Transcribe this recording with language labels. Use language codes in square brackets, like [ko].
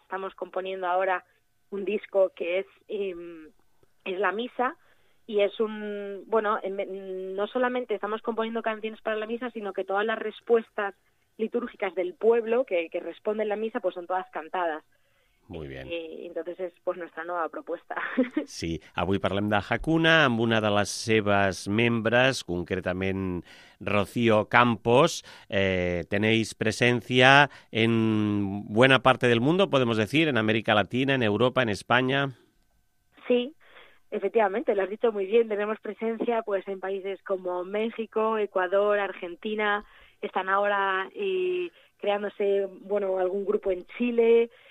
[es] Estamos componiendo ahora un disco que es la misa, y es un, bueno, no solamente estamos componiendo canciones para la misa, sino que todas las respuestas litúrgicas del pueblo que responden la misa, pues son todas cantadas. Muy bien. Entonces es pues nuestra [ca] nova proposta. Sí, avui parlem de Hakuna amb una de les seves membres, concretament Rocío Campos. [es] Tenéis presència en buena parte del mundo, podemos decir, en América Latina, en Europa, en España. Sí, efectivamente, lo has dicho muy bien. Tenemos presencia pues en países como México, Ecuador, Argentina. Están ahora creándose, bueno, algún grupo en Chile.